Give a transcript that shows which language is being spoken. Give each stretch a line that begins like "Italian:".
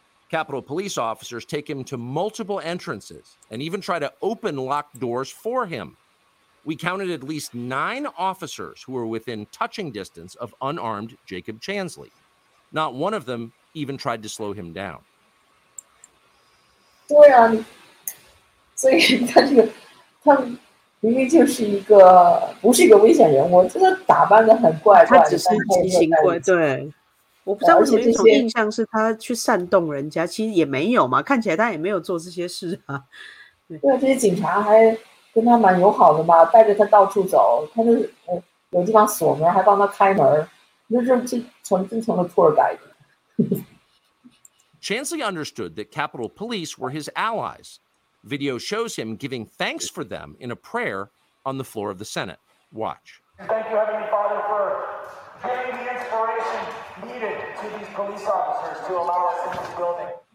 English: Capitol police officers take him to multiple entrances and even try to open locked doors for him. We counted at least 9 officers who were within touching distance of unarmed Jacob Chansley. Not one of them even tried to slow him down.
Chinese: 对啊，所以他明明就是一个不是一个危险人物，真的打扮得很怪怪的，他只是奇形怪状，对，我不知道为什么有一种印象是他去煽动人家，其实也没有嘛，看起来他也没有做这些事啊。对啊，这些警察还跟他蛮友好的嘛，带着他到处走，他就是有地方锁门还帮他开门，那是真成了
English: tour guide。 Chansley understood that Capitol Police were his allies. Video shows him giving thanks for them in a prayer on the floor of the Senate. Watch. Thank you, Heavenly Father, for giving the inspiration needed to these police officers to allow us into the building.